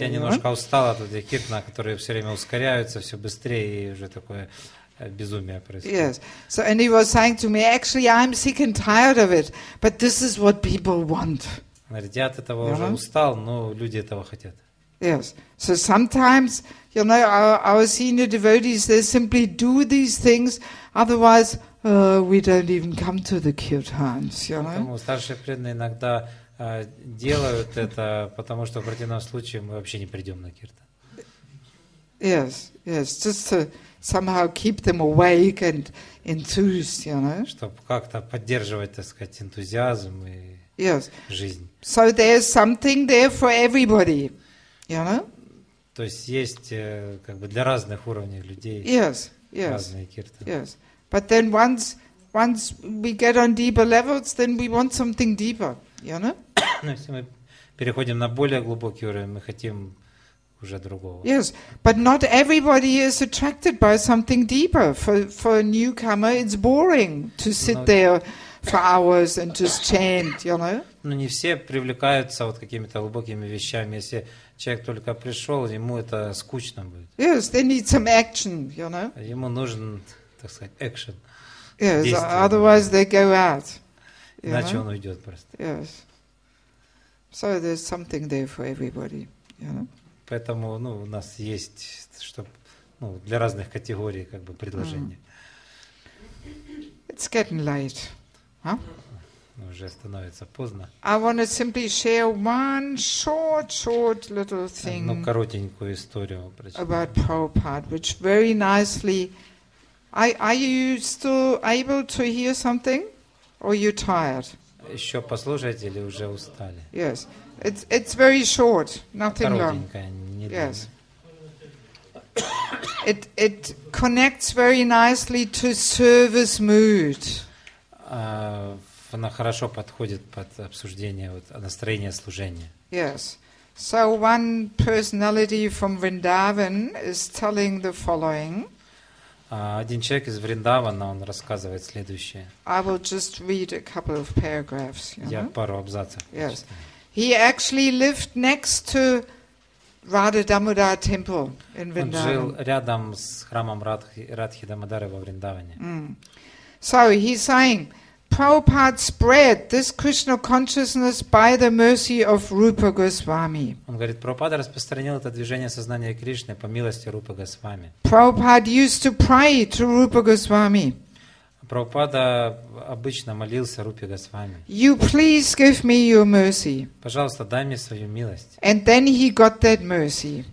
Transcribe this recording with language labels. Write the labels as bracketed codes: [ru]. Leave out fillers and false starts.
[ru] Я немножко устал от этих киртан, которые все время ускоряются все быстрее и уже такое безумие происходит. [en] Yes, so and he was saying to me, actually, I'm sick and tired of it, but this is what people want. [ru] Говорит, я от этого уже устал, но люди этого хотят. [en] Yes, so sometimes, you know, our senior devotees, they simply do these things, otherwise, we don't even come to the kirtans, you know. [ru] Поэтому старшие преданные иногда делают это, потому что в противном случае мы вообще не придем на киртан. [en] Yes, yes, just to somehow keep them awake and enthused, you know. [ru] Чтобы как-то поддерживать, так сказать, энтузиазм и [en] yes. [ru] жизнь. [en] So there's something there for everybody, you know. [ru] То есть есть как бы для разных уровней людей. [en] Yes, yes. [ru] Разные киртаны. [en] Yes. But then once we get on deeper levels, then we want something deeper, you know. [ru] Но если мы переходим на более глубокий уровень, мы хотим уже другого. [en] Yes, but not everybody is attracted by something deeper. For a newcomer, it's boring to sit there for hours and just chant, you know. [ru] Но не все привлекаются вот какими-то глубокими вещами. Если человек только пришел, ему это скучно будет. [en] Yes, they need some action, you know. [ru] Ему нужен, так сказать, action. [en] Yes, otherwise they go out. [ru] Иначе он уйдет просто. [en] Yes. So there's something there for everybody, you know. [ru] Поэтому, ну, у нас есть, чтобы, ну, для разных категорий, как бы, предложения. [en] It's getting late. Huh? [ru] Уже становится поздно. [en] I want to simply share one short little thing. [ru] Одну коротенькую историю прочитаю. [en] About Prabhupada, which very nicely. Are you still able to hear something, or you tired? [ru] Еще послушаете или уже устали? [en] Yes, it's very short, nothing long. [ru] Коротенькая, не [en] Yes. it connects very nicely to service mood. [ru] Она хорошо подходит под обсуждение вот настроения служения. [en] Yes. So one personality from Vrindavan is telling the following. [ru] Один человек из Вриндавана, он рассказывает следующее. [en] I will just read a couple of paragraphs. [ru] Я пару абзацев. [en] Yes. He actually lived next to Radha Damodara temple in Vrindavan. [ru] Он жил рядом с храмом Радхи Дамодары во Вриндаване. [en] So he's saying, Prabhupada spread this Krishna consciousness by the mercy of Rupa Goswami. [ru] Он говорит, Прабхупада распространил это движение сознания Кришны по милости Рупа Госвами. [en] Prabhupada used to pray to Rupa Goswami. [ru] Прабхупада обычно молился Рупе Госвами. [en] You please give me your mercy. [ru] Пожалуйста, дай мне свою милость. [en] And then he got that mercy.